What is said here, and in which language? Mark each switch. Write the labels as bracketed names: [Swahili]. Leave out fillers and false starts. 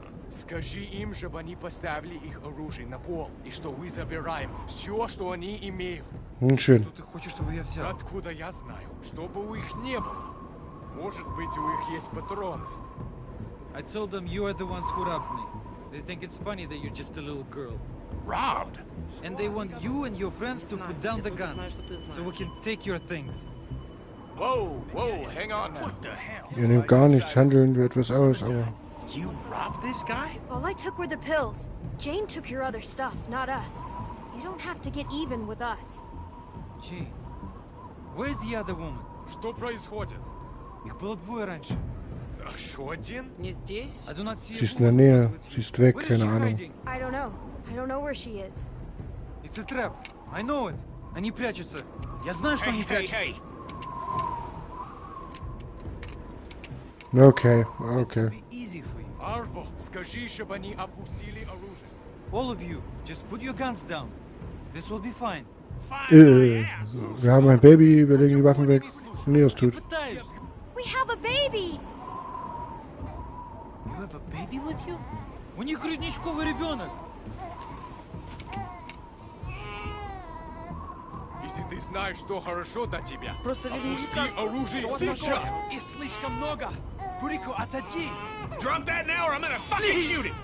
[Russian] Скажи им, чтобы они поставили их оружие на пол, и что мы забираем все, что они имеют. Ничего. Что ты хочешь, чтобы я взял? Откуда я знаю? Чтобы у их не было. Может быть, у них есть патроны. [English] I told them you are the ones who robbed me. They think it's funny that you're just a little girl. Robbed? And they want you and your friends to put down the guns, so we can take your things. Whoa, whoa, hang on now. What the hell? [German] Ihr nehmt gar nichts, handeln wir etwas aus, aber... [English] You robbed this guy? All I took were the pills. Jane took your other stuff, not us. You don't have to get even with us. Jane, where's the other woman? [Russian] Что происходит? Их было двое раньше. А что один? Не здесь. [English] I do not see her. She's near. She's [German] weg, keine Ahnung. [English] I don't know. I don't know where she is. It's a trap. I know it. [Russian] Они прячутся. Я знаю, что они прячутся. [English] Hey, hey, hey. Okay, okay. Easy for you. [Russian] Arvo, скажи, чтобы они опустили оружие. [English] All of you, just put your guns down. This will be fine. [German] Wir haben ein Baby, wir legen die Waffen weg. Nee, das tut. [English] We have a baby. You have a baby with you? [Russian] У них грудничковый ребенок. Если ты знаешь, что хорошо для тебя, просто опусти оружие сейчас. И слишком много. Бурико, отойди. [English] Drop that now or I'm gonna fucking shoot it.